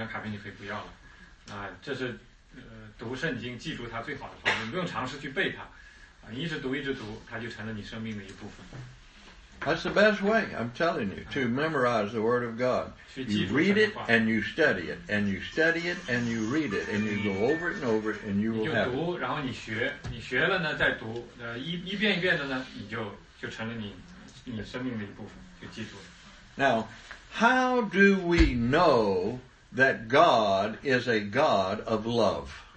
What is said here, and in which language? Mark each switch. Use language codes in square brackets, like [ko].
[zh] 所以他说给大家一个很好的建议，不一定是英文，你就写个中文。那你把这个写在一个小卡片上，他说这个是圣经里最重要的一段经文了。那你写在小卡片上，你每天拿出来读，你一天拿出来读个十几遍的，一个礼拜以后，你这张卡片你可以不要了。这是 读圣经记住它最好的方式，你不用尝试去背它，你一直读，它就成了你生命的一部分。 [en] That's the best way, I'm telling you, to memorize the Word of God. You read it and you study it, and you study it and you read it, and you go over it and over it, and you will have it. [zh] 你就读，然后你学，你学了呢再读，一遍一遍的呢，你就成了你生命的一部分，就记住了。 [en] Now, how do we know that God is a God of love?